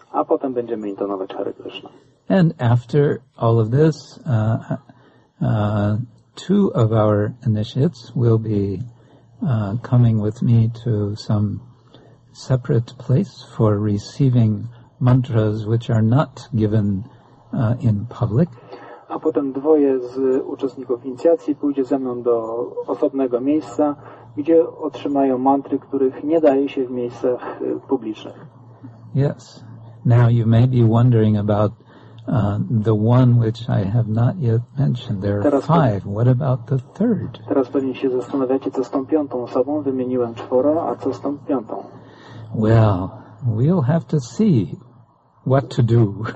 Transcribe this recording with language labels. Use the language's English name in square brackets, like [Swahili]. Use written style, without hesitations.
[Polish] A potem będziemy intonować Hare Krishna. [English] And after all of this, two of our initiates will be coming with me to some separate place for receiving mantras which are not given in public. [Polish] A potem dwoje z uczestników inicjacji pójdzie ze mną do osobnego miejsca, gdzie otrzymają mantry, których nie daje się w miejscach publicznych. [English] Yes. Now you may be wondering about the one which I have not yet mentioned. There are five. What about the third? [Polish] Teraz pewnie się zastanawiacie, co z tą piątą osobą. Wymieniłem czworo, a co z tą piątą? [English] Well, we'll have to see what to do.